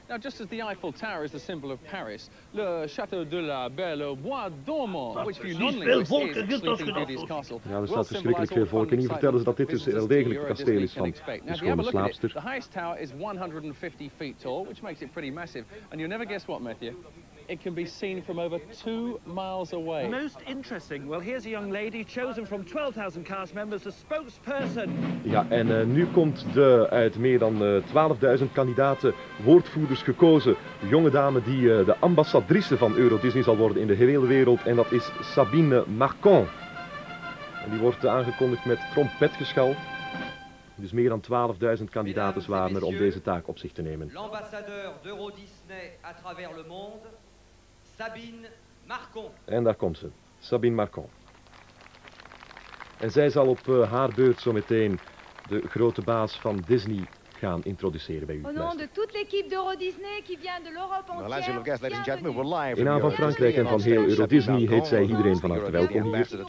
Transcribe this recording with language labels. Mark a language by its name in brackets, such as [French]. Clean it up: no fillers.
[English] Now, just as the Eiffel Tower is the symbol of Paris, le Château de la Belle Bois Dormant, which you normally see in Sleeping Beauty's castle. [Dutch] Ja, er staat verschrikkelijk veel volk en hier vertellen ze dat dit dus wel degelijk het kasteel is van de schone slaapster. [English] 150 feet tall, which makes it pretty massive. And you'll never guess what, Matthew? It can be seen from over 2 miles away. Most interesting. Well, here's a young lady chosen from 12,000 cast members, the spokesperson. [Dutch] Ja, en nu komt de uit meer dan 12.000 kandidaten woordvoerders gekozen jonge dame die de ambassadrice van Euro Disney zal worden in de hele wereld. En dat is Sabine Marcon. En die wordt aangekondigd met trompetgeschal. Dus meer dan 12.000 kandidaten waren er om deze taak op zich te nemen. [French] L'ambassadeur d'Euro Disney à travers le monde, Sabine Marcon. [Dutch] En daar komt ze, Sabine Marcon. En zij zal op haar beurt zo meteen de grote baas van Disney gaan introduceren bij u. [French] Au nom de toute l'équipe d'Euro Disney qui vient de l'Europe entière. [Dutch] In naam van Frankrijk en van heel Euro Disney heet zij iedereen van harte welkom hier.